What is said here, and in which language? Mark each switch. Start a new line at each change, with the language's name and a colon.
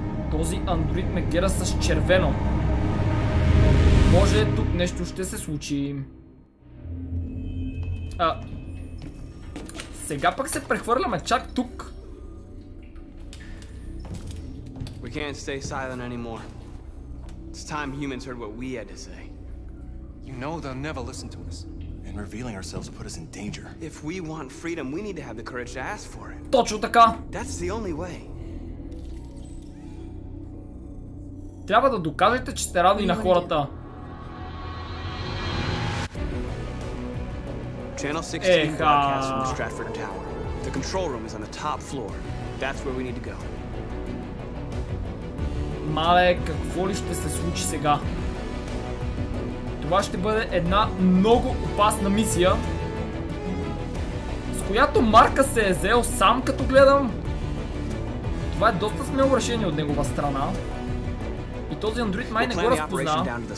Bulgarian: Този андроид ме гера с червено. Може тук нещо ще се случи. А, сега пък се прехвърляме чак тук.
English: We can't stay silent anymore. It's time humans heard what we had to say. You know they'll never listen to us. And revealing ourselves will put us in danger. If we want freedom, we need to have the courage to ask for it.
Bulgarian: Точно така.
English: That's the only way.
Bulgarian: Трябва да докажете, че сте равни на хората.
English: Channel 16 broadcast from Stratford Tower. The control room is on the top floor. That's where we need to go.
Bulgarian: Мале, какво ли ще се случи сега? Това ще бъде една много опасна мисия, с която Марка се е взел сам, като гледам. Това е доста смело решение от негова страна. И този андроид май не го разпозна.